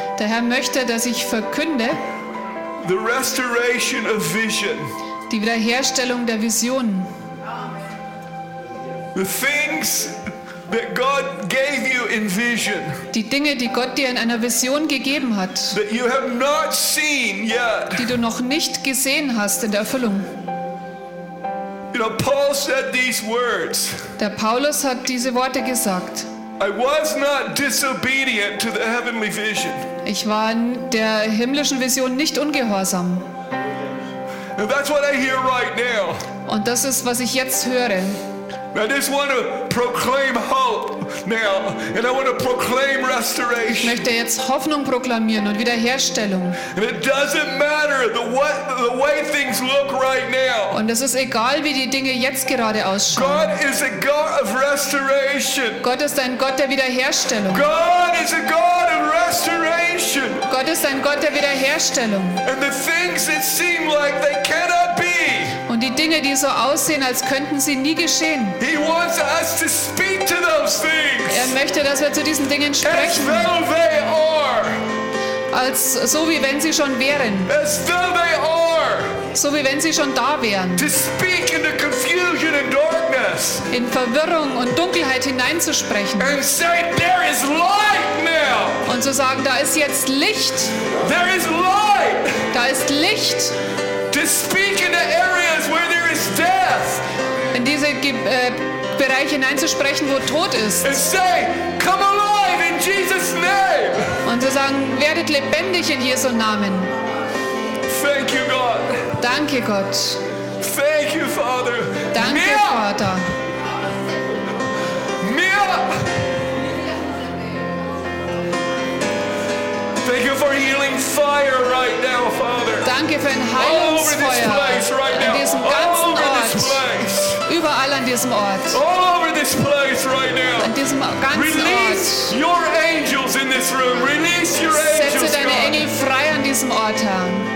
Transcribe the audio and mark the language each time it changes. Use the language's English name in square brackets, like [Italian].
[German] Der Herr möchte, dass ich verkünde. [English] The restoration of vision. [German] Die Wiederherstellung der Visionen. [English] The things that God gave you in vision. [German] Die Dinge, die Gott dir in einer Vision gegeben hat. [English] That you have not seen yet. [German] Die du noch nicht gesehen hast in der Erfüllung. [English] You know, Paul said these words. [German] Der Paulus hat diese Worte gesagt. [English] I was not disobedient to the heavenly vision. [German] Ich war der himmlischen Vision nicht ungehorsam. [English] And that's what I hear right now. [German] Und das ist, was ich jetzt höre. [English] I just want to proclaim hope now, and I want to proclaim restoration. [German] Ich möchte jetzt Hoffnung proklamieren und Wiederherstellung. [English] And it doesn't matter the way things look right now. [German] Und es ist egal, wie die Dinge jetzt gerade ausschauen. [English] God is a God of restoration. [German] Gott ist ein Gott der Wiederherstellung. [English] God is a God of restoration. [German] Gott ist ein Gott der Wiederherstellung. [English] And the things that seem like they cannot be. [German] Und die Dinge, die so aussehen, als könnten sie nie geschehen. [English] He wants us to speak to those things. [German] Er möchte, dass wir zu diesen Dingen sprechen. [English] As though they are. [German] Als so, wie wenn sie schon wären. [English] As though they are. [German] So, wie wenn sie schon da wären. [English] To speak into confusion and darkness. [German] In Verwirrung und Dunkelheit hineinzusprechen. [English] And say, there is light now. [German] Und zu sagen, da ist jetzt Licht. [English] There is light. [German] Da ist Licht. [English] To speak into areas where there is death. [German] In diese Bereiche hineinzusprechen, wo Tod ist. [English] And say, come alive in Jesus' name. [German] Und zu sagen, werdet lebendig in Jesu Namen. [English] Thank you, God. [German] Danke, Gott. [English] Thank you, Father. [German] Danke, Mia. Vater. [English] Mia. Thank you, for healing fire right now, Father. [German] Danke für ein Heilungsfeuer. In diesem ganzen Ort. Überall an diesem Ort. [English] All over this place right now. [German] An diesem ganzen [English] Release [German] Ort. [English] Release your angels in this room. Release your angels, God. [German] Setze deine Engel frei an diesem Ort, Herr.